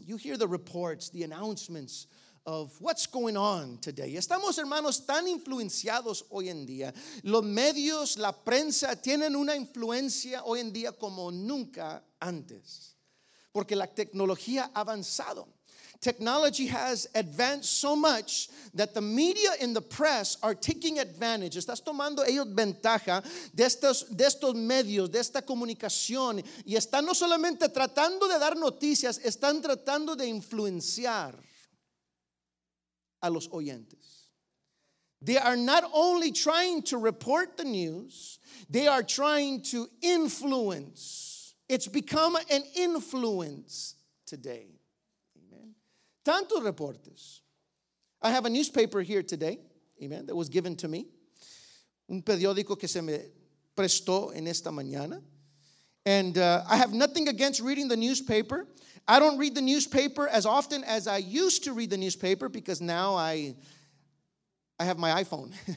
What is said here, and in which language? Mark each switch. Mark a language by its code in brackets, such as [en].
[en] You hear the reports, the announcements of what's going on today. [es] Estamos, hermanos, tan influenciados hoy en día. Los medios, la prensa tienen una influencia hoy en día como nunca antes. Porque la tecnología ha avanzado. [en] Technology has advanced so much that the media and the press are taking advantage. [es] Estás tomando ellos ventaja de estos medios, de esta comunicación. Y están no solamente tratando de dar noticias, están tratando de influenciar a los oyentes. [en] They are not only trying to report the news, they are trying to influence. It's become an influence today. Amen. [es] Tantos reportes. [en] I have a newspaper here today, amen, that was given to me. [es] Un periódico que se me prestó en esta mañana. [en] And I have nothing against reading the newspaper. I don't read the newspaper as often as I used to read the newspaper because now I have my iPhone.